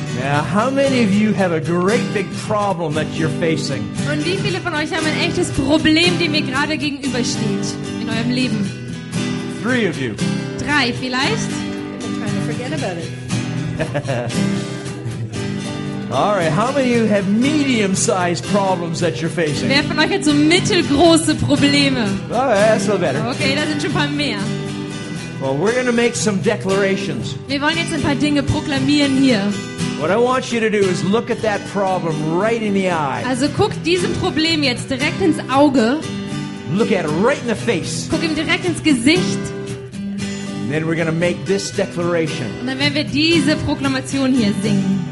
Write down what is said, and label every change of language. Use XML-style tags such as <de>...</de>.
<en>Now, how many of you have a great big problem that you're facing?</en> <de>Und wie viele von euch haben ein echtes Problem, dem ihr gerade gegenübersteht in eurem Leben?</de> <en>Three of you.</en> <de>Drei vielleicht?</de> <en>I'm trying to forget about it. All right, how many of you have medium-sized problems that you're facing?</en> <de>Wer von euch hat so mittelgroße Probleme?</de> <en>All right, that's a little better.</en> <de>Okay, da sind schon ein paar mehr.</de> <en>Well, we're going to make some declarations.</en> <de>Wir wollen jetzt ein paar Dinge proklamieren hier.</de> <en>What I want you to do is look at that problem right in the eye.</en> <de>Also guck diesem Problem jetzt direkt ins Auge.</de> <en>Look at it right in the face.</en> <de>Guck ihm direkt ins Gesicht.</de> <en>And then we're going to make this declaration.</en> <de>Und dann werden wir diese Proklamation hier singen.</de>